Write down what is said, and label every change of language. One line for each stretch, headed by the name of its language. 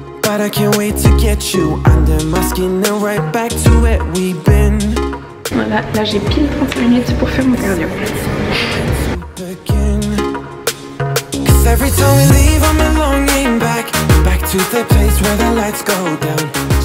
English: but I can't wait to get you under my skin and right back to where we've been.
French: Voilà, là j'ai pile 30 minutes pour faire mon cardio.
English: Cause every time we leave I'm longing back, back to the place where the lights go down.